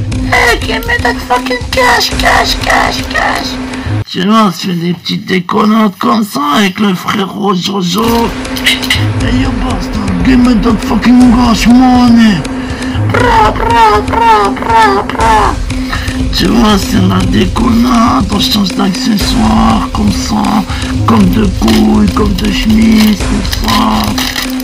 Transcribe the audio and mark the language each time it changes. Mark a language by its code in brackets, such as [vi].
[en] Hey, give me that fucking cash, cash, cash, cash. [fr] Tu vois, on se fait des petites déconnantes comme ça avec le frérot Jojo. [en] Hey yo bastard, give me that fucking cash money. Bra, bra, bra, bra, bra. [fr] Tu vois, c'est la déconnante, on change d'accessoires comme ça. Comme de couilles, comme de chemise, tout ça.